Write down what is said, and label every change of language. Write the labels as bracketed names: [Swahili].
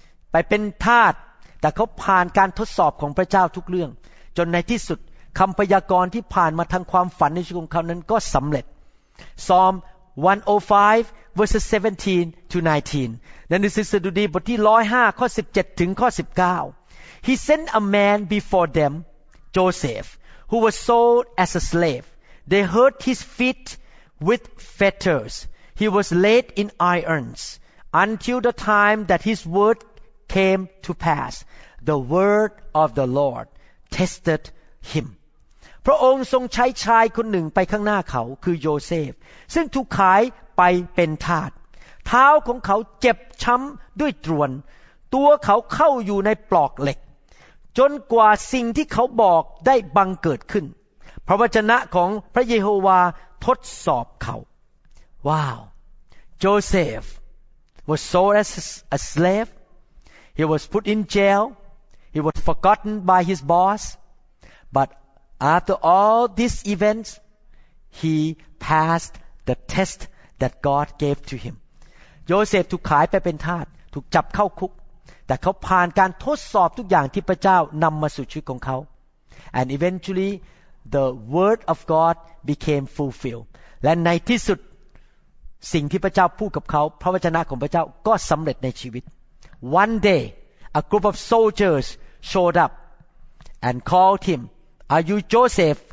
[Thai] ไปเป็นทาสแต่เขาผ่านการทดสอบของพระเจ้าทุกเรื่องจนในที่สุดคำพยากรณ์ที่ผ่านมาทางความฝันในชีวิตของเขานั้นก็สำเร็จซอม105 [English] verses 17 to 19 [Thai] นั้นในหนังสือสดุดีบทที่105ข้อ17ถึงข้อ19 [English] He sent a man before them Joseph who was sold as a slave They hurt his feet with fetters. He was laid in irons until the time that his word came to pass. The word of the Lord tested him. [Thai] พระองค์ทรงใช้ชายคนหนึ่งไปข้างหน้าเขาคือโยเซฟซึ่งถูกขายไปเป็นทาสเท้าของเขาเจ็บช้ำด้วยตรวนตัวเขาเข้าอยู่ในปลอกเหล็กจนกว่าสิ่งที่เขาบอกได้บังเกิดขึ้นพระวจนะของพระเยโฮวาทดสอบเขา [English] Wow, Joseph was sold as a slave. He was put in jail. He was forgotten by his boss. But after all these events, he passed the test that God gave to him. [Thai] Joseph ถูกขายไปเป็นทาสถูกจับเข้าคุกแต่เขาผ่านการทดสอบทุกอย่างที่พระเจ้านำมาสู่ชีวิตของเขา [English] And eventually, the word of God became fulfilled. [Thai] และในที่สุดสิ่งที่พระเจ้าพูดกับเขาพระวจนะของพระเจ้าก็สำเร็จในชีวิต [English] One day a group of soldiers showed up and called him Are you Joseph?